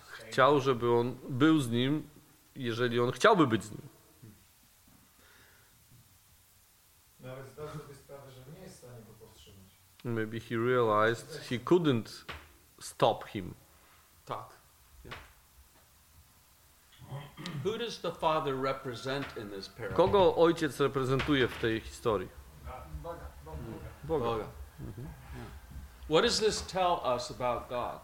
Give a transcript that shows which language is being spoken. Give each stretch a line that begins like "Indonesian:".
Polish: Chciał, żeby on był z nim, jeżeli on chciałby być z nim. Nawet zdał sobie sprawę, że nie jest w stanie go powstrzymać.
English: Maybe he realized he couldn't stop him.
Polish: Tak.
English: Who does the father represent in this parable?
Polish: Kogo ojciec reprezentuje w tej historii? Boga. Boga.
English: What does this tell us about God?